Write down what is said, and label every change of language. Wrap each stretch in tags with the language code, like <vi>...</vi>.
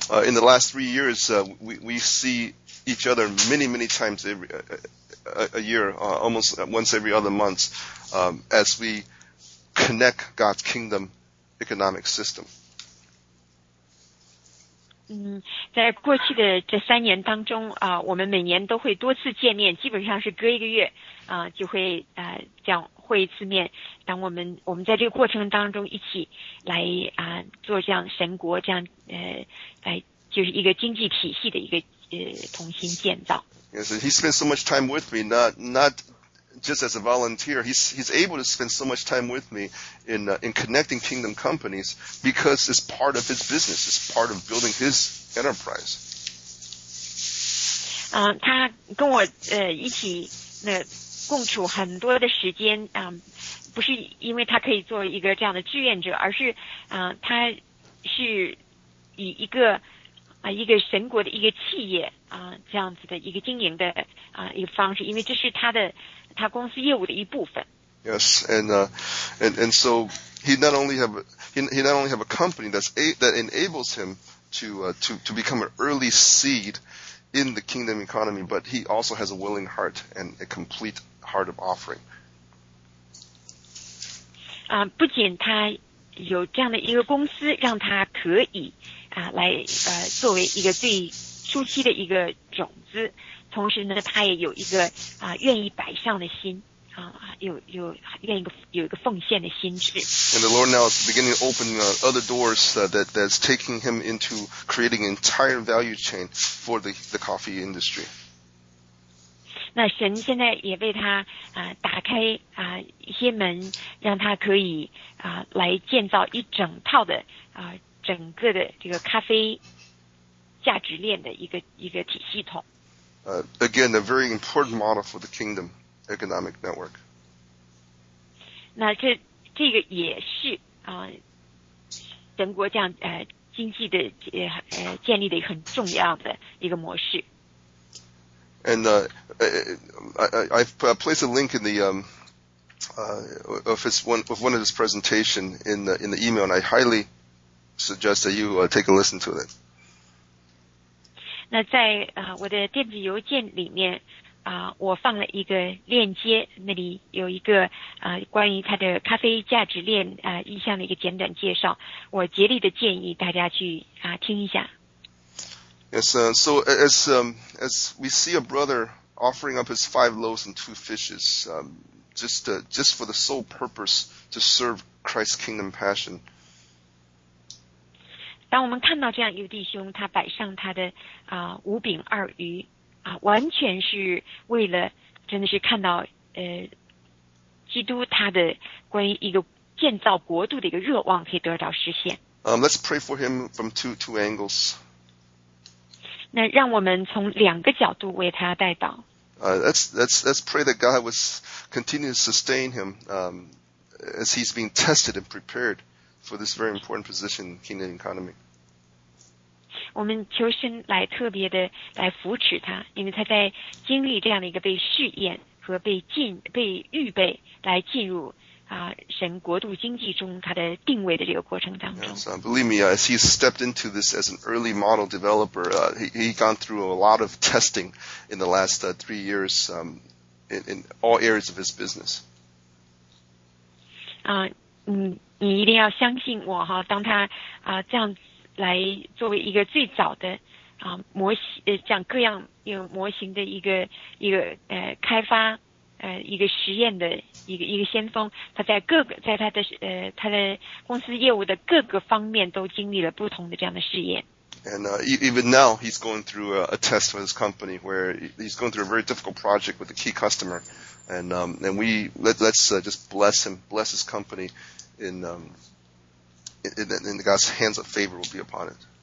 <en>In the last 3 years, we see each other many, many times a year, almost once every other month, as we connect God's kingdom economic system.</en> <zh>在过去的这三年当中啊，我们每年都会多次见面，基本上是隔一个月啊，就会这样会一次面。当我们在这个过程当中一起来做这样神国这样来就是一个经济体系的一个同心建造。</zh> <en>Yes, he spends so much time with me, not just as a volunteer. He's able to spend so much time with me in connecting kingdom companies because it's part of his business. It's part of building his enterprise.</en> <zh>他跟我一起共处很多的时间不是因为他可以做一个这样的志愿者，而是他是以一个一个神国的一个企业这样子的一个经营的一个方式，因为这是他公司业务的一部分。</zh> <en>Yes, and so he not only have a company that enables him to become an early seed in the kingdom economy, but he also has a willing heart and a complete heart of offering.</en> <zh>不仅他有这样的一个公司，让他可以来作为一个最初期的一个种子。同时呢，他也有一个愿意摆上的心有愿意有一个奉献的心智。</zh> <en>And the Lord now is beginning to open other doors that's taking him into creating an entire value chain for the coffee industry.</en> <zh>那神现在也为他打开一些门，让他可以来建造一整套的整个的这个咖啡价值链的一个体系统。</zh> <en>Again, a very important model for the kingdom economic network.</en> <zh>那这个也是神国这样经济的建立的很重要的一个模式。</zh> <en>And I placed a link in the of one of his presentation in the email, and I highly suggest that you take a listen to it.</en> <zh>那在我的电子邮件里面我放了一个链接，那里有一个关于它的咖啡价值链意向的一个简短介绍，我竭力的建议大家去听一下。</zh> <en>Yes, so as we see a brother offering up his 5 loaves and 2 fishes, just for the sole purpose to serve Christ's kingdom passion.</en> <zh>当我们看到这样一个弟兄，他摆上他的五饼二鱼完全是为了真的是看到基督他的关于一个建造国度的一个热望可以得到实现。</zh> <en>Let's pray for him from two angles.</en> <zh>那让我们从两个角度为他代祷。</zh> <en>Let's pray that God would continue to sustain him as he's being tested and prepared for this very important position in kingdom economy.</en> <zh>我们求神来特别的来扶持他，因为他在经历这样的一个被试验和被预备来进入神国度经济中他的定位的这个过程当中。</zh> <en>Yes, believe me, as he stepped into this as an early model developer, he gone through a lot of testing in the last 3 years in all areas of his business.</en> <zh>你一定要相信我哈，当他这样来作为一个最早的模型像各样有模型的一个开发一个实验的一个先锋，他在各个在他的他的公司业务的各个方面都经历了不同的这样的试验。</zh> <en>And even now he's going through a test for his company where he's going through a very difficult project with a key customer, and we let's just bless him, bless his company in God's hands of favor will be upon it.</en>